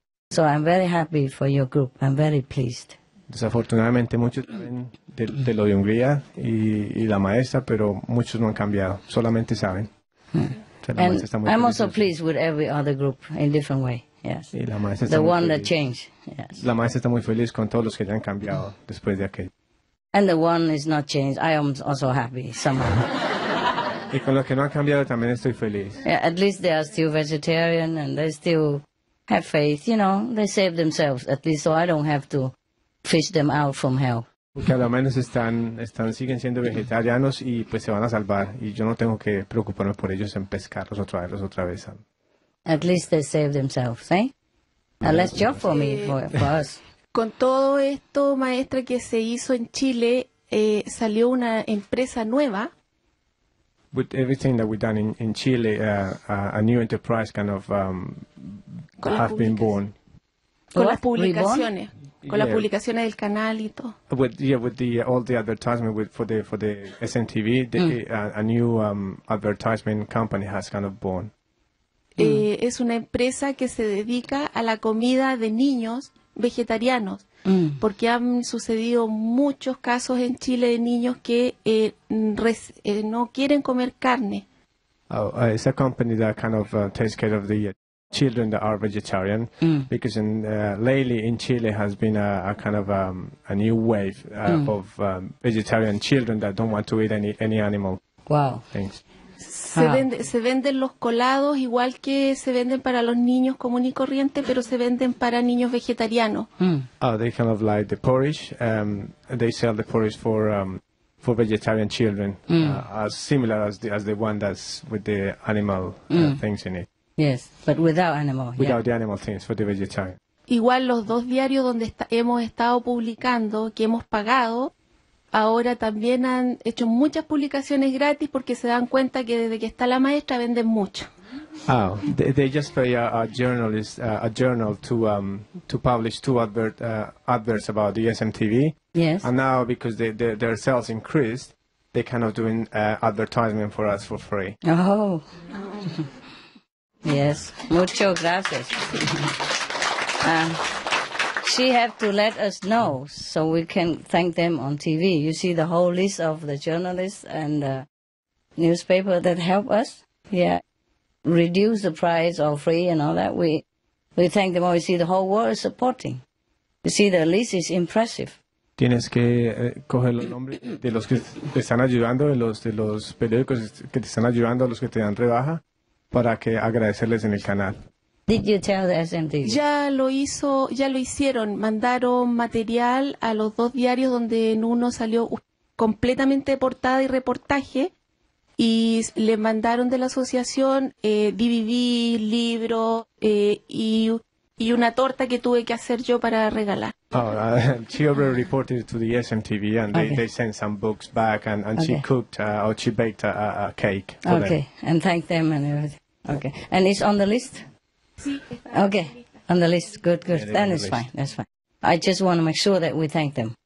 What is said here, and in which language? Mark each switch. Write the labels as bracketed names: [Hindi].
[English] So I'm very happy for your group. I'm very pleased. [Spanish] Desafortunadamente muchos saben de lo de Hungría y la maestra, pero muchos no han cambiado. Solamente saben. [English] And I'm also pleased with every other group in different way. Yes. The one that changed. Yes. [Spanish] La maestra está muy feliz con todos los que ya han cambiado después de aquel. [English] And the one is not changed. I am also happy somehow. [Spanish] Y con los que no han cambiado también estoy feliz. [English] Yeah, at least they are still vegetarian and they still have faith, you know, they save themselves at least, so I don't have to fish them out from hell. [Spanish] Porque al menos están siguen siendo vegetarianos y pues se van a salvar y yo no tengo que preocuparme por ellos en pescarlos otra vez. [English] At least they save themselves, ¿eh? A less job for me, for us. [Spanish] Con todo esto, maestra, que se hizo en Chile, salió una empresa nueva. [English] With everything that we've done in Chile, a new enterprise kind of have been born. [Spanish] Con las publicaciones, con las publicaciones del canal y todo. [English] All the advertisement for the SMTV, a new advertisement company has kind of born. [Spanish] Es una empresa que se dedica a la comida de niños vegetarianos, porque han sucedido muchos casos en Chile de niños que no quieren comer carne. [English] It's a company that kind of takes care of the children that are vegetarian, because in, lately in Chile has been a kind of a new wave of vegetarian children that don't want to eat any animal. Wow. Things. [Spanish] Se venden los colados igual que se venden para los niños común y corriente, pero se venden para niños vegetarianos. [English] They kind of like the porridge. They sell the porridge for vegetarian children, as similar as the one that's with the animal things in it. Yes, but without animal. Without the animal things for the vegetarian. [Spanish] Igual los dos diarios donde hemos estado publicando, que hemos pagado, ahora también han hecho muchas publicaciones gratis porque se dan cuenta que desde que está la maestra venden mucho. [English] Oh, they just pay a journal to publish two adverts about the SMTV. Yes. And now because their sales increased, they kind of doing advertisement for us for free. Oh. Yes. [Spanish] Mucho gracias. [English] She have to let us know so we can thank them on TV. You see the whole list of the journalists and newspaper that help us. Yeah. Reduce the price or free and all that. We thank them all. You see the whole world is supporting. You see the list is impressive. [Spanish] Tienes que coger los nombres de los que te están ayudando, de los periódicos que te están ayudando, los que te dan rebaja, para que agradecerles en el canal. [English] Did you tell the SMTV? [Spanish] Ya lo hicieron. Mandaron material a los dos diarios donde en uno salió completamente de portada y reportaje, y le mandaron de la asociación DVD, libro y una torta que tuve que hacer yo para regalar. [English] She already reported to the SMTV and they sent some books back and she cooked or she baked a cake for them. And thanked them and everything. Okay, and it's on the list. Okay, on the list. Good. Yeah, then it's fine. That's fine. I just want to make sure that we thank them.